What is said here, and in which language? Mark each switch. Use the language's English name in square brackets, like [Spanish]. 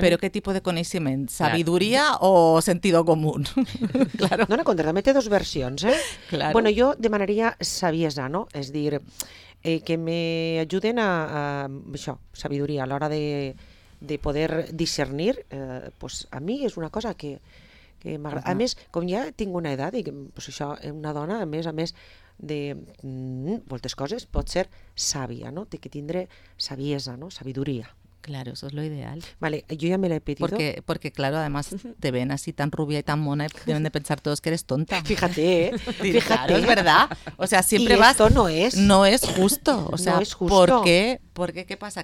[Spanish] ¿Pero qué tipo de coneixement? ¿Sabiduría o sentido común? Claro. No, no, contrariamente dos versiones, ¿eh? Claro. Bueno, [Catalan] yo demanaría saviesa, [Spanish] ¿no? Es decir, que me ayuden a això, sabiduría a la hora de poder discernir. Pues a mí es una cosa que m'agrada. [Catalan] Uh-huh. A més, com ja tinc una edat, i, pues això, una dona, a més de moltes coses, pot ser sàvia, ¿no? Té que tindre saviesa, ¿no? [Spanish] Sabiduría. Claro, eso es lo ideal. Vale, yo ya me la he pedido. Porque claro, además te ven así tan rubia y tan mona y deben de pensar todos que eres tonta. Fíjate, fíjate. Claro, es verdad. O sea, siempre y vas... esto no es. No es justo. O sea, no es justo. ¿Por qué? ¿Por qué? ¿Qué pasa?